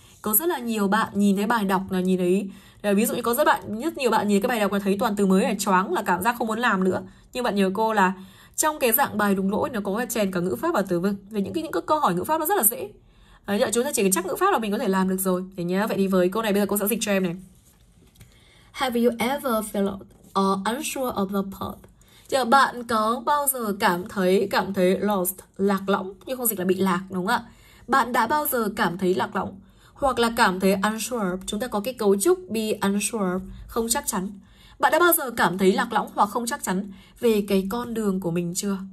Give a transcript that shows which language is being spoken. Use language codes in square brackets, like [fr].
[vi] Có rất là nhiều bạn nhìn thấy bài đọc là nhìn thấy là ví dụ như có rất bạn rất nhiều bạn nhìn cái bài đọc là thấy toàn từ mới là choáng là cảm giác không muốn làm nữa. Nhưng bạn nhớ cô là trong cái dạng bài đúng lỗi nó có chèn cả ngữ pháp và từ vựng. Về những cái câu hỏi ngữ pháp nó rất là dễ. Đấy, chúng ta chỉ cần chắc ngữ pháp là mình có thể làm được rồi. Thế nhá. Vậy thì với câu này bây giờ cô sẽ dịch cho em này. [en] Have you ever felt unsure of the path? [vi] Giờ bạn có bao giờ cảm thấy lost, lạc lõng, nhưng không dịch là bị lạc, đúng không ạ? Bạn đã bao giờ cảm thấy lạc lõng hoặc là cảm thấy unsure? Chúng ta có cái cấu trúc be unsure, không chắc chắn. Bạn đã bao giờ cảm thấy lạc lõng hoặc không chắc chắn về cái con đường của mình chưa?